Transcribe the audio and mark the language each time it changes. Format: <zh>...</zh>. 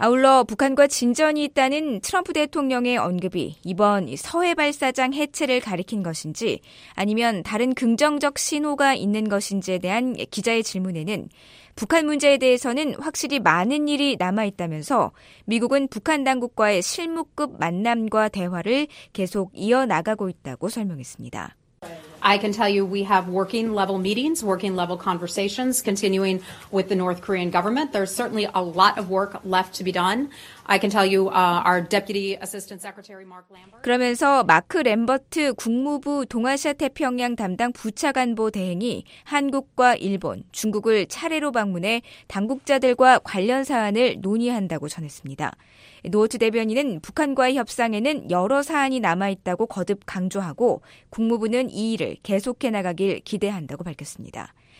<ko>아울러 북한과 진전이 있다는 트럼프 대통령의 언급이 이번 서해 발사장 해체를 가리킨 것인지 아니면 다른 긍정적 신호가 있는 것인지에 대한 기자의 질문에는 북한 문제에 대해서는 확실히 많은 일이 남아있다면서 미국은 북한 당국과의 실무급 만남과 대화를 계속 이어나가고 있다고 설명했습니다.</ko> <en>I can tell you we have working level meetings, working level conversations continuing with the North Korean government. There's certainly a lot of work left to be done. I can tell you our Deputy Assistant Secretary Mark Lambert.</en> <ko>그러면서 마크 램버트 국무부 동아시아 태평양 담당 부차관보 대행이 한국과 일본, 중국을 차례로 방문해 당국자들과 관련 사안을 논의한다고 전했습니다. 노어트 대변인은 북한과의 협상에는 여러 사안이 남아있다고 거듭 강조하고 국무부는 이 일을 계속해 나가길 기대한다고 밝혔습니다.</ko>